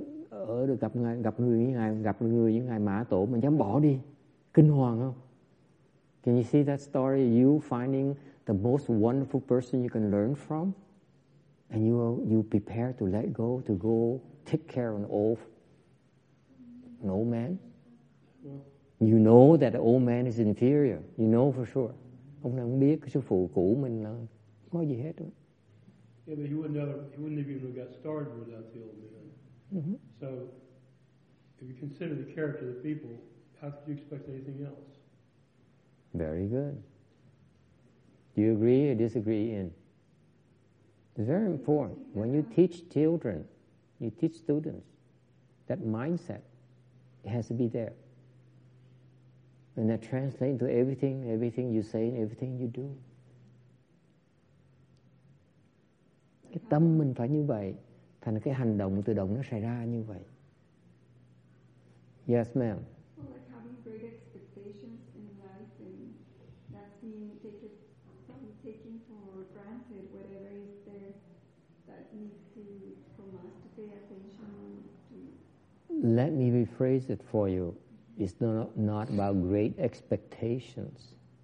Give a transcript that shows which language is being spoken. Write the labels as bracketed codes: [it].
[vi] Ở được gặp người như ngài mã tổ mà dám bỏ đi, kinh hoàng không? [en] Can you see that story? You finding the most wonderful person you can learn from, and you prepare to let go, to go take care of an old man. You know that the old man is inferior. You know for sure. [vi] Ông này không biết cái sư phụ cũ mình là có gì hết rồi. [en] Yeah, but he wouldn't have even got started without the old man. Mm-hmm. So, if you consider the character of the people, how could you expect anything else? Very good. Do you agree or disagree, Ian? It's very important. When you teach children, you teach students, that mindset has to be there. And that translates to everything you say and everything you do. [vi] Cái tâm mình phải như vậy, thành cái hành động tự động nó xảy ra như vậy. [en] Yes, ma'am. Well, like having great expectations in life and not being taken for granted, whatever is there that needs to from us to pay attention to. Let me rephrase it for you. It's not about great expectations.